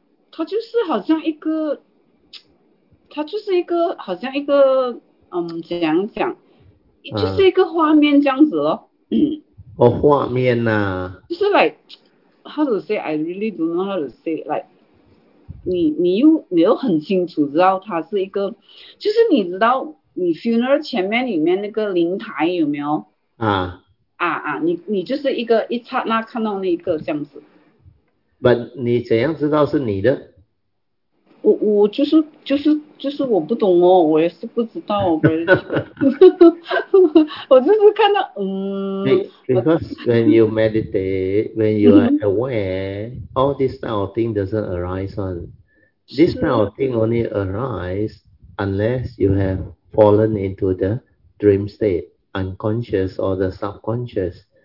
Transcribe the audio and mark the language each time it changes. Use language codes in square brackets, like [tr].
[zh] 它就是好像一个，它就是一个好像一个，怎样讲，就是一个画面这样子咯，画面呐、就是 [en] like how to say I really don't know how to say like。 [zh] 你又很清楚知道它是一个，就是你知道你 funeral 前面里面那个灵台有没有？啊。你就是一个一刹那看到那一个这样子。 But 你怎样知道是你的？我就是我不懂哦，我也是不知道，我不是，我就是看到 [en] Because when you meditate, when you are aware, all this type of thing doesn't arise on. This type of thing only arise unless you have fallen into the dream state, unconscious or the subconscious.